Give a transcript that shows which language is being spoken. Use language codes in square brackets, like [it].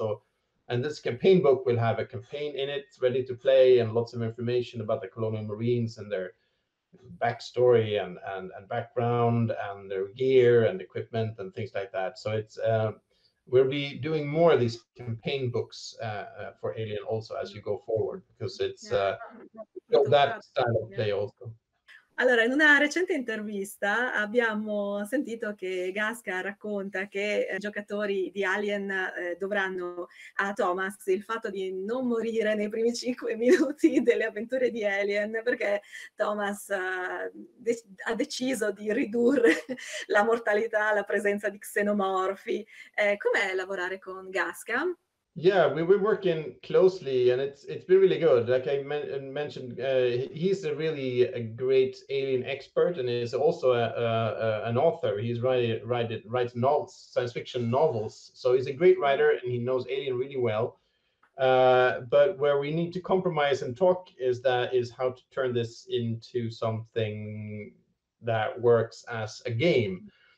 [en] So, and this campaign book will have a campaign in it ready to play and lots of information about the colonial marines and their backstory and background and their gear and equipment and things like that. So it's we'll be doing more of these campaign books for Alien also as you go forward, because it's that style of play also. [it] Allora, in una recente intervista abbiamo sentito che Gasca racconta che i giocatori di Alien dovranno a Thomas il fatto di non morire nei primi 5 minuti delle avventure di Alien, perché Thomas ha deciso di ridurre la mortalità, la presenza di xenomorfi. Com'è lavorare con Gasca? [en] Yeah, we're working closely, and it's been really good. Like I mentioned, he's a really great alien expert, and is also an author. He's writes novels, science fiction novels. So he's a great writer, and he knows Alien really well. But where we need to compromise and talk is how to turn this into something that works as a game.